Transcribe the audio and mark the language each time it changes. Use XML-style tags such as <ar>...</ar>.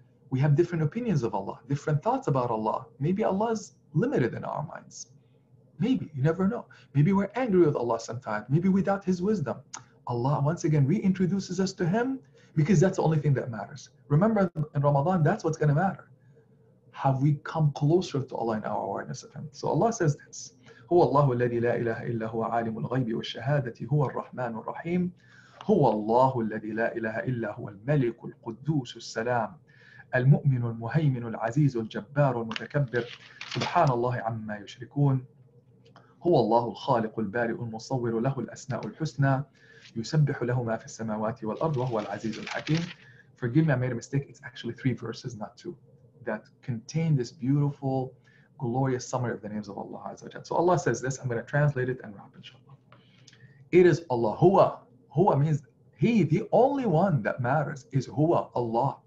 <en>We have different opinions of Allah, different thoughts about Allah. Maybe Allah is limited in our minds. Maybe, you never know. Maybe we're angry with Allah sometimes. Maybe we doubt His wisdom. Allah once again reintroduces us to Him, because that's the only thing that matters. Remember, in Ramadan, that's what's gonna matter. Have we come closer to Allah in our awareness of Him?</en> <ar>So Allah says this, هو الله الذي لا إله إلا هو عالم الغيب والشهادة هو الرحمن الرحيم هو الله الذي لا إله إلا هو الملك القدوس السلام المؤمن المهيمن العزيز الجبار المتكبر سبحان الله عما يشركون هو الله الخالق البارئ المصور له الأسماء الحسنى يسبح له ما في السماوات والأرض وهو العزيز الحكيم.</ar> <en>Forgive me, I made a mistake. It's actually three verses, not two, that contain this beautiful, glorious summary of the names of Allah Azza wa Jalla. So Allah says this, I'm going to translate it and wrap, inshallah. It is Allah. Huwa. Huwa means He, the only one that matters is Huwa, Allah.</en>